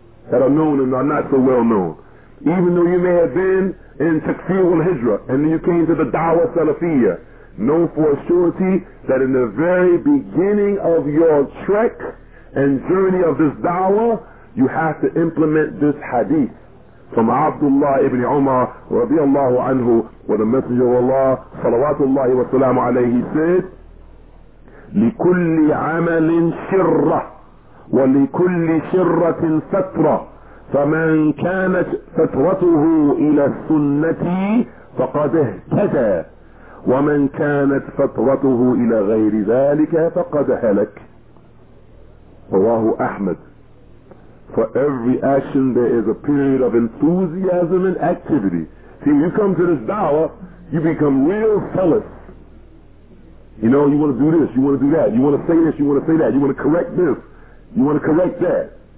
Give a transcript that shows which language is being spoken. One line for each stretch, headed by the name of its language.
English: that are known and are not so well known, even though you may have been in Takfir al-Hijra and then you came to the da'wah Salafiyya, know for a surety that in the very beginning of your trek and journey of this da'wah, you have to implement this hadith from Abdullah ibn Umar radiallahu anhu, where the Messenger of Allah salawatullahi wa salam alayhi said,
Arabic: لِكُلِّ عَمَلٍ شِرَّةٍ وَلِكُلِّ شِرَّةٍ فَتْرَةٍ فَمَنْ كَانَتْ فَتْرَتُهُ إِلَى السُنَّةِ فَقَدْ اهْتَدَى وَمَنْ كَانَتْ فَتْرَتُهُ إِلَى غَيْرِ ذَلِكَ فَقَدْ هَلَكَ. رواه أحمد.
English: For every action there is a period of enthusiasm and activity. See, you come to this dawah, you become real zealous. You know, you want to do this, you want to do that, you want to say this, you want to say that, you want to correct this, you want to correct that.